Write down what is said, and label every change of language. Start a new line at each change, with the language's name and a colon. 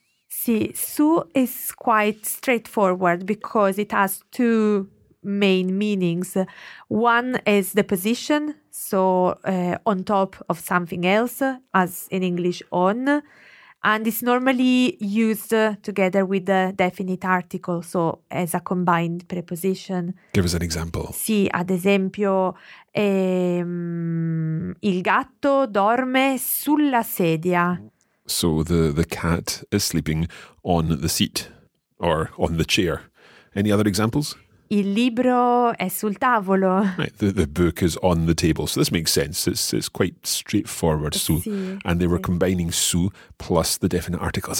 English: Sì, su is quite straightforward because it has two main meanings. One is the position, so on top of something else, as in English, on. And it's normally used together with the definite article, so as a combined preposition. Give us an example.
Italian: Sì, ad esempio, il gatto dorme sulla sedia.
English: So the cat is sleeping on the seat or on the chair. Any other examples?
Italian: Il libro è sul tavolo.
English: Right, the book is on the table. So this makes sense. It's quite straightforward, su.
Italian: Sì,
English: and they were combining su plus the definite articles.